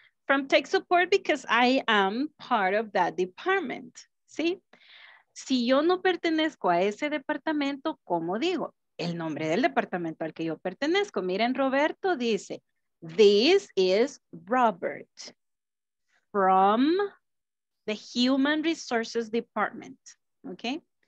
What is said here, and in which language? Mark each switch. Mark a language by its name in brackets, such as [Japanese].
[English] From tech support because I am part of that department, ¿sí? [Spanish] Si yo no pertenezco a ese departamento, ¿cómo digo? El nombre del departamento al que yo pertenezco. Miren, Roberto dice, [English] this is Robert from the human resources department, okay?